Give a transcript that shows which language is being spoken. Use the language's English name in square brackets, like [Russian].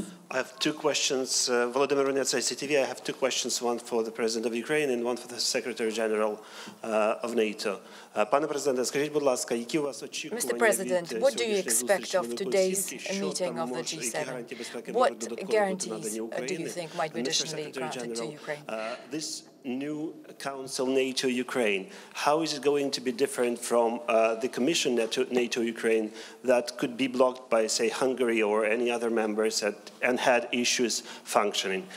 [English] I have two questions. Volodymyr Vronets, ICTV. I have two questions, one for the President of Ukraine and one for the Secretary General of NATO. [Ukrainian] Пане президенте, скажіть, будь ласка, які у вас очікування? [English] Mr. President, what do you expect of today's meeting of the G7? What guarantees do you think might be additionally granted to Ukraine? This new Council NATO Ukraine, how is it going to be different from the Commission NATO Ukraine that could be blocked by, say, Hungary or any other members and had issues functioning?